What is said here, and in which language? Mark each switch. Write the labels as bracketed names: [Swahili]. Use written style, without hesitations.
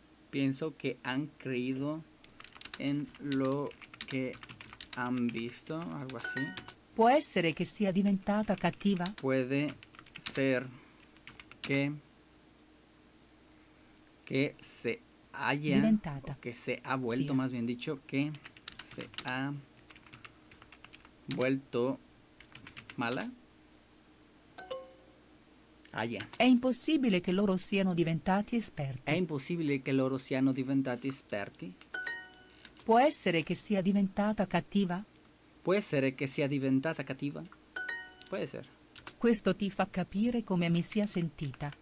[Spanish] Pienso que han creído en lo que han visto, algo así. [Italian] Può essere che sia diventata cattiva? [Spanish] Puede ser que se haya [Italian] diventata, [Spanish] que se ha vuelto, [Italian] sia, [Spanish] más bien dicho, que se ha vuelto mala. [Italian] È impossibile che loro siano diventati esperti. È impossibile che loro siano diventati esperti. Può essere che sia diventata cattiva? Può essere che sia diventata cattiva? Può essere. Questo ti fa capire come mi sia sentita.